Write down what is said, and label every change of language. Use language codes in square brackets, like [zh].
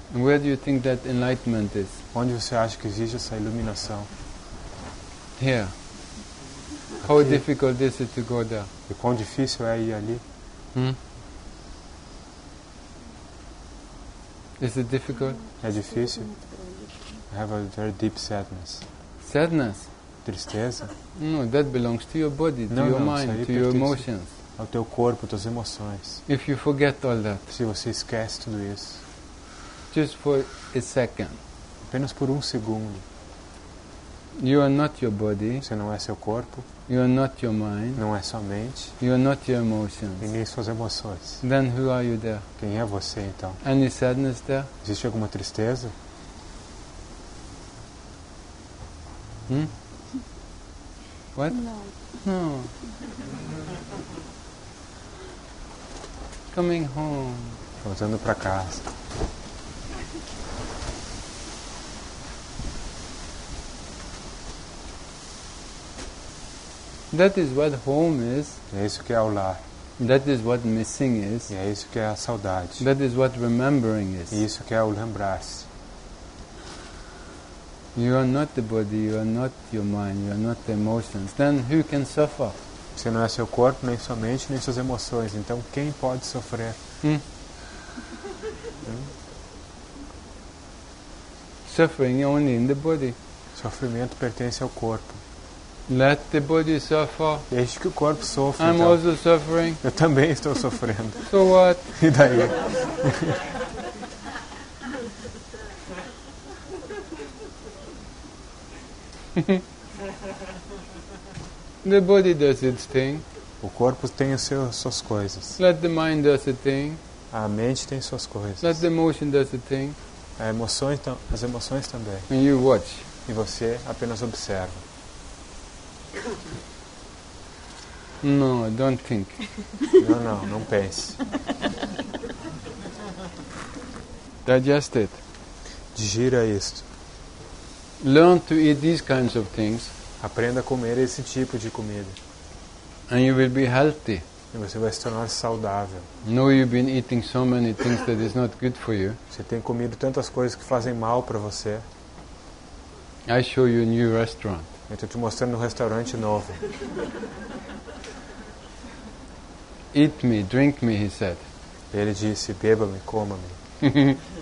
[en] And where do you think that enlightenment is? [pt] Onde você acha que existe essa iluminação? [en] Here. [pt] Aqui. [en] How difficult is it to go there? [pt] E quão difícil é ir ali? [en] Is it difficult? [pt] É difícil. [en] I have a very deep sadness. Sadness? [pt] Tristeza? [en] No, that belongs to your body, to [pt] não, [en] your mind, to your emotions. [pt] Ao teu corpo, tuas emoções. [en] If you forget all that. [pt] Se você esquece tudo isso. [en] Just for a second. [pt] Apenas por um segundo. [en] You are not your body. [pt] Você não é seu corpo. [en] You are not your mind. [pt] Não é sua mente. [en] You are not your emotions. [pt] E nem suas emoções. [en] Then who are you there? [pt] Quem é você então? [en] Any sadness there? [pt] Existe alguma tristeza? [en] What? No. No. Coming home. [pt] Voltando para casa. [en] That is what home is. [pt] É isso que é o lar. [en] That is what missing is. [pt] E é isso que é a saudade. [en] That is what remembering is. [pt] E isso que é o lembrar-se. [en] You are not the body, you are not your mind, you are not the emotions. Then who can suffer? [pt] Você não é seu corpo, nem sua mente, nem suas emoções. Então quem pode sofrer? [en] Suffering only in the body. [pt] Sofrimento pertence ao corpo. [en] Let the body suffer. [pt] Deixe que o corpo sofra. [en] I'm [pt] então. [en] Also suffering. [pt] Eu também estou sofrendo. [en] So what? [pt] E daí? [en] The body does its thing. [pt] O corpo tem as suas coisas. [en] Let the mind do its thing. [pt] A mente tem suas coisas. [en] Let the emotion do its thing. [pt] As emoções também. [en] And you watch. [pt] E você apenas observa. [en] No, don't think. [pt] Não pense. [en] Digest it. [pt] Digira isto. [en] Learn to eat these kinds of things. [pt] Aprenda a comer esse tipo de comida. [en] And you will be healthy. [pt] E você vai se tornar saudável. [en] No, you've been eating so many things that is not good for you. [pt] Você tem comido tantas coisas que fazem mal para você. [en] I show you a new restaurant. [pt] Eu estou te mostrando um restaurante novo. [en] Eat me, drink me, he said. [pt] Ele disse, beba-me, coma-me.